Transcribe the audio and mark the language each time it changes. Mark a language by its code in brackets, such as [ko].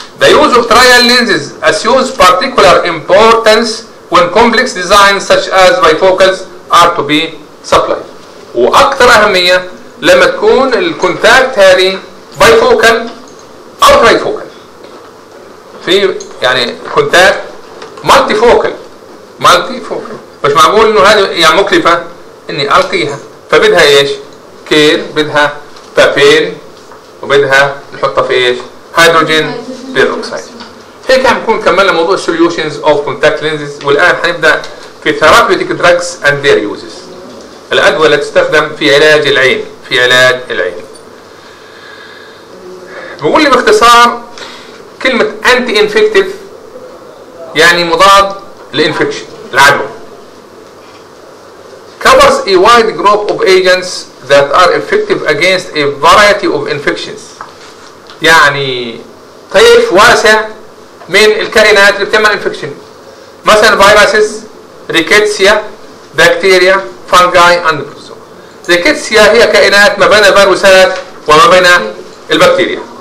[en] The use of trial lenses assumes particular importance when complex designs such as bifocals are to be supplied. [ar] واكثر اهميه لما تكون الكونتاكت هذه bifocal او trifocal. في يعني كونتاكت multifocal. [en] multifocal. [ar] مش معقول انه هذه يعني مكلفة اني القيها، فبدها ايش؟ كير، بدها بابين، وبدها نحطها في ايش؟ هيدروجين بيروكسيد. هيك عم نكون كملنا موضوع solutions of contact lenses، والان حنبدا في therapeutic drugs and their uses. الادوية اللي تستخدم في علاج العين، في علاج العين. بقول لي باختصار كلمة anti-infective يعني مضاد للانفكشن العدوى. [en] Covers a wide group of agents that are effective against a variety of infections. [ar] يعني طيف واسع من الكائنات اللي بتعمل انفكشن. مثلا viruses, ريكيتسيا, بكتيريا, فانجاي, and بروتوزوا. ريكيتسيا هي كائنات ما بين الفيروسات وما بين البكتيريا.